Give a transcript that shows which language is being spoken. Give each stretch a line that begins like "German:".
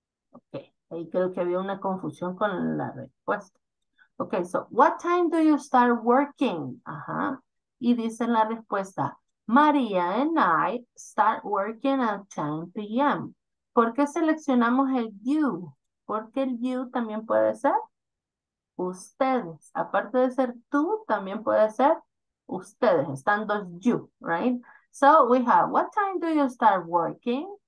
Spanish: Okay, ahí creo que había una confusión con la respuesta.
English: Okay, so what time do you start working? Ajá.
Spanish: Y dice la respuesta,
English: María and I start working at 10 p.m.
Spanish: ¿Por qué seleccionamos el you? Porque el you también puede ser ustedes. Aparte de ser tú, también puede ser ustedes. Están dos you, right?
English: So we have, what time do you start working?